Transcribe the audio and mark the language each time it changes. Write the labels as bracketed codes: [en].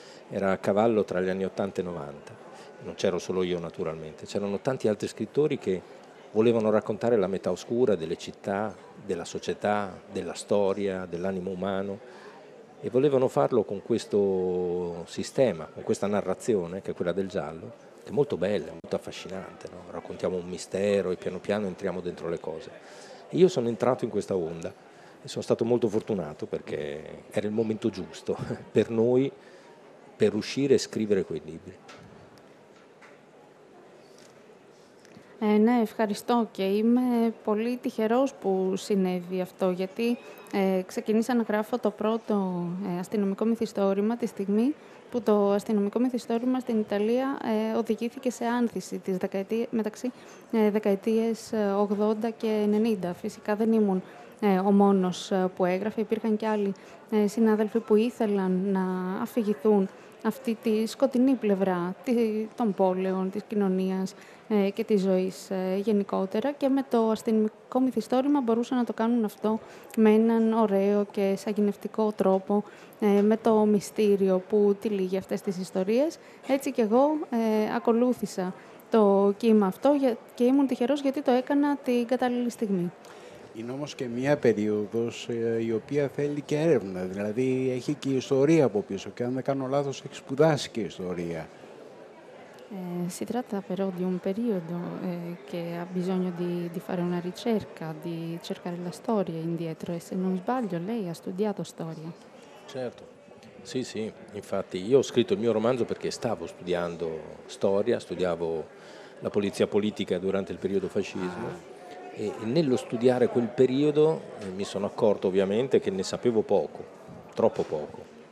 [it] Era a cavallo tra gli anni 80 e 90, non c'ero solo io naturalmente, c'erano tanti altri scrittori che volevano raccontare la metà oscura delle città, della società, della storia, dell'animo umano, e volevano farlo con questo sistema, con questa narrazione che è quella del giallo, che è molto bella, molto affascinante, no? Raccontiamo un mistero e piano piano entriamo dentro le cose. E io sono entrato in questa onda e sono stato molto fortunato, perché era il momento giusto per noi per uscire e scrivere quei libri. [el] Ναι, ευχαριστώ και είμαι πολύ τυχερός που συνέβη αυτό, γιατί ξεκινήσα να γράφω το πρώτο αστυνομικό μυθιστόρημα τη στιγμή που το αστυνομικό μυθιστόρημα στην Ιταλία οδηγήθηκε σε άνθηση μεταξύ δεκαετίες 80 και 90. Φυσικά δεν ήμουν ο μόνος που έγραφε, υπήρχαν και άλλοι συνάδελφοι που ήθελαν να αφηγηθούν αυτή τη σκοτεινή πλευρά των πόλεων, της κοινωνίας και της ζωής γενικότερα, και με το αστυνομικό μυθιστόρημα μπορούσαν να το κάνουν αυτό με έναν ωραίο και σαγηνευτικό τρόπο, με το μυστήριο που τυλίγει αυτές τις ιστορίες. Έτσι κι εγώ ακολούθησα το κύμα αυτό και ήμουν τυχερός γιατί το έκανα την κατάλληλη στιγμή. Είναι όμως και μία περίοδος η οποία θέλει και έρευνα. Δηλαδή έχει και ιστορία από πίσω, και αν δεν κάνω λάθος έχει σπουδάσει και ιστορία. [it] Si tratta però di un periodo che ha bisogno di fare una ricerca, di cercare la storia indietro, e se non sbaglio lei ha studiato storia. Certo, sì sì, infatti io ho scritto il mio romanzo perché stavo studiando storia, studiavo la polizia politica durante il periodo fascismo, e nello studiare quel periodo mi sono accorto ovviamente che ne sapevo poco, troppo poco.